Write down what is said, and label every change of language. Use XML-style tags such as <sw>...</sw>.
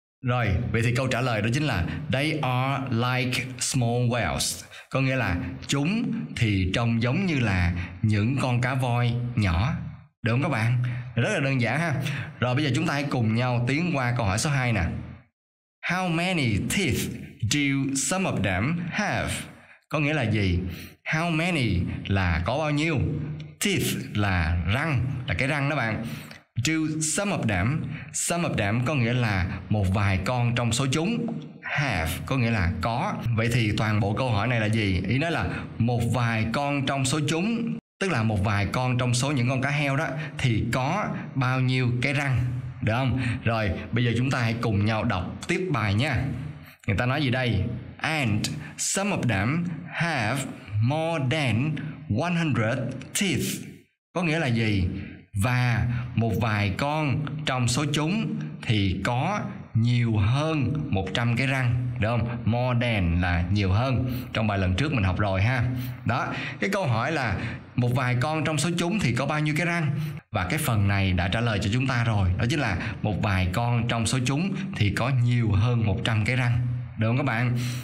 <vi>Rồi, vậy thì câu trả lời đó chính là</vi> <en>they are like small whales,</en> <vi>có nghĩa là chúng thì trông giống như là những con cá voi nhỏ, được không các bạn? Rất là đơn giản ha. Rồi bây giờ chúng ta hãy cùng nhau tiến qua câu hỏi số 2 nè.</vi> <en>How many teeth do some of them have?</en> <vi>Có nghĩa là gì?</vi> <en>How many</en> <vi>là có bao nhiêu? Teeth là răng, là cái răng đó bạn.</vi> <en>Do some of them</en> <vi>có nghĩa là một vài con trong số chúng. Have có nghĩa là có. Vậy thì toàn bộ câu hỏi này là gì? Ý nói là một vài con trong số chúng, tức là một vài con trong số những con cá heo đó, thì có bao nhiêu cái răng, được không? Rồi bây giờ chúng ta hãy cùng nhau đọc tiếp bài nha. Người ta nói gì đây?</vi> <en>And some of them have more than 100 teeth.</en> <vi>Có nghĩa là gì? Và một vài con trong số chúng thì có nhiều hơn 100 cái răng, được không?</vi> <en>More than</en> <vi>là nhiều hơn, trong bài lần trước mình học rồi ha. Đó, cái câu hỏi là một vài con trong số chúng thì có bao nhiêu cái răng, và cái phần này đã trả lời cho chúng ta rồi, đó chính là một vài con trong số chúng thì có nhiều hơn 100 cái răng, được không các bạn?</vi>